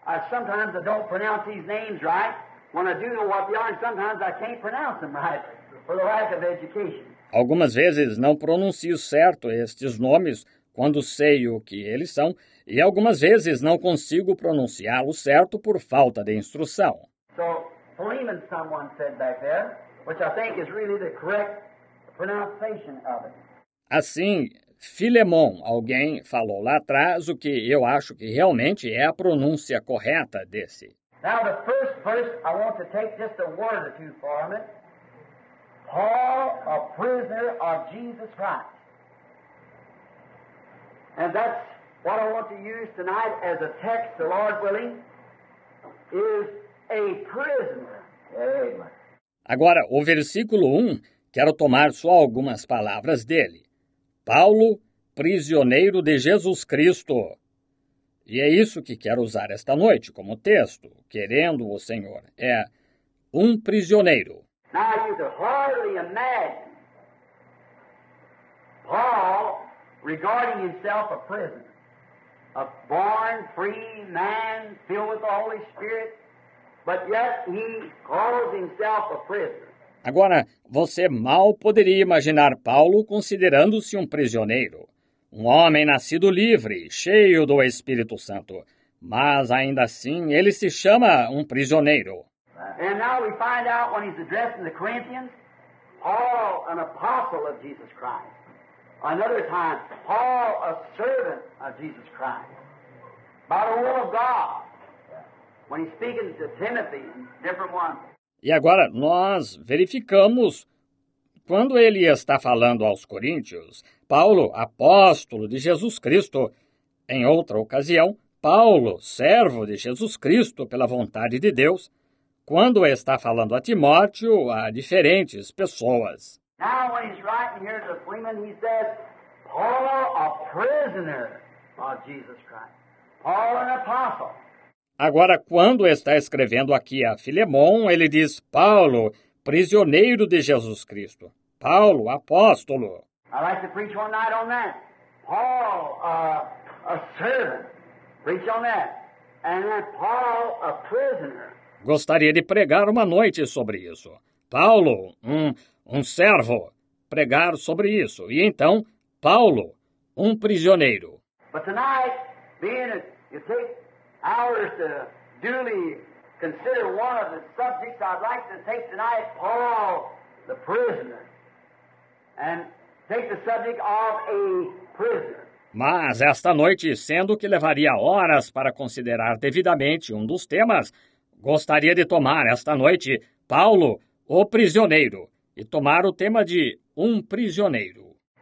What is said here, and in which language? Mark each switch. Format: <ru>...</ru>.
<en>Sometimes I don't pronounce these names right. When I do know what they are, sometimes I can't pronounce them right for the lack of education.</en> <pt>Algumas vezes não pronuncio certo estes nomes quando sei o que eles são, e algumas vezes não consigo pronunciá-los certo por falta de instrução.</pt> <en>So, Philemon, someone said back there, which I think is really the correct pronunciation of it.</en> <pt>Assim, Filemon, alguém falou lá atrás o que eu acho que realmente é a pronúncia correta desse.</pt> <en>Now the first verse, I want to take just a word or two from it. Paul, a prisoner of Jesus Christ. And that's what I want to use tonight as a text, the Lord willing, is a prisoner. Amen.</en> <pt>Agora, o versículo 1... quero tomar só algumas palavras dele. Paulo, prisioneiro de Jesus Cristo. E é isso que quero usar esta noite como texto, querendo o Senhor. É um prisioneiro.</pt> <en>Now you can hardly imagine Paul regarding himself a prisoner. A born free man filled with the Holy Spirit, but yet he calls himself a prisoner.</en> <pt>Agora, você mal poderia imaginar Paulo considerando-se um prisioneiro, um homem nascido livre, cheio do Espírito Santo, mas ainda assim ele se chama um prisioneiro.</pt> <en>And now we find out when he's addressing the Corinthians, Paul, an apostle of Jesus Christ. Another time, Paul, a servant of Jesus Christ. By the will of God. When he's speaking to Timothy, different ones.</en> <pt>E agora, nós verificamos quando ele está falando aos coríntios, Paulo, apóstolo de Jesus Cristo, em outra ocasião, Paulo, servo de Jesus Cristo pela vontade de Deus, quando está falando a Timóteo, a diferentes pessoas.</pt> <en>Now when he's writing here to Philemon, he says, Paul, a prisoner of Jesus Christ. Paul, an apostle.</en> <pt>Agora, quando está escrevendo aqui a Filemon, ele diz, Paulo, prisioneiro de Jesus Cristo. Paulo, apóstolo.</pt> <en>I like to preach one night on that. Paul, a servant. Preach on that. And then Paul, a prisoner.</en> <pt>Gostaria de pregar uma noite sobre isso. Paulo, um servo, pregar sobre isso. E então, Paulo, um prisioneiro.</pt> <en>But tonight, being it, you take hours to duly consider one of the subjects I'd like to take tonight, Paul, the prisoner. And take the subject of a prisoner.</en> <pt>Mas esta noite, sendo que levaria horas para considerar devidamente um dos temas, gostaria de tomar esta noite Paulo, o prisioneiro, e tomar o tema de um prisioneiro.</pt>